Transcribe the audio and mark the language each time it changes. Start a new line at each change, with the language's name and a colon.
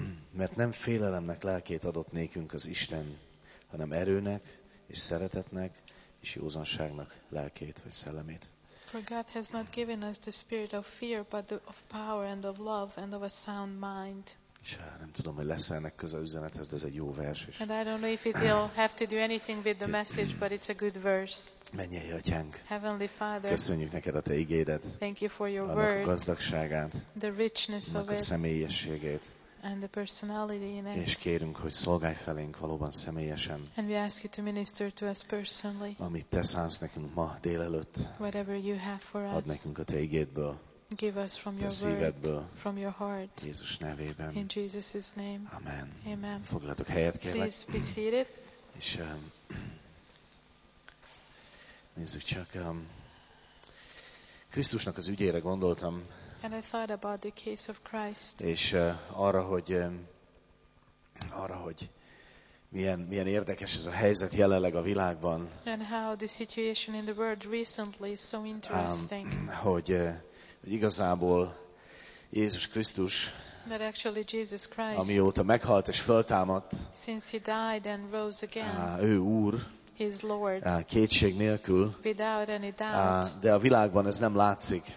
Hungarian: Mert nem félelemnek lelkét adott nékünk az Isten, hanem erőnek és szeretetnek és józanságnak lelkét vagy szellemét.
English: For God has not given us the spirit of fear, but of power and of love and of a sound mind.
Hungarian: És nem tudom, hogy lesz ennek köze üzenethez, de ez egy jó vers. És...
English: And I don't know if it will have to do anything with the message, but it's a good verse.
Hungarian: Mennyei Atyánk,
English: Heavenly Father,
Hungarian: köszönjük neked a te igédet,
English: thank you for your
Hungarian: annak
English: word,
Hungarian: a gazdagságát,
English: the richness
Hungarian: annak
English: of it,
Hungarian: a személyességét,
English: and the personality in it.
Hungarian: És kérünk, hogy szolgálj felénk valóban személyesen,
English: and we ask you to minister to us personally,
Hungarian: amit te szánsz nekünk ma délelőtt,
English: whatever you have for us,
Hungarian: add nekünk a te igédből,
English: give us from your word, from your heart,
Hungarian: Jézus nevében.
English: In Jesus' name.
Hungarian: Amen.
English: Amen.
Hungarian: Foglaltok helyet, kérlek.
English: Please be seated.
Hungarian: És nézzük csak, Krisztusnak az ügyére gondoltam.
English: And I thought about the case of Christ.
Hungarian: És arra, hogy milyen érdekes ez a helyzet jelenleg a világban.
English: And how the situation in the world recently is so interesting.
Hungarian: Hogy igazából Jézus Krisztus,
English: that actually Jesus Christ,
Hungarian: amióta meghalt és föltámadt,
English: since he died and rose again,
Hungarian: ő Úr,
English: his Lord,
Hungarian: kétség nélkül,
English: without any doubt,
Hungarian: de a világban ez nem látszik.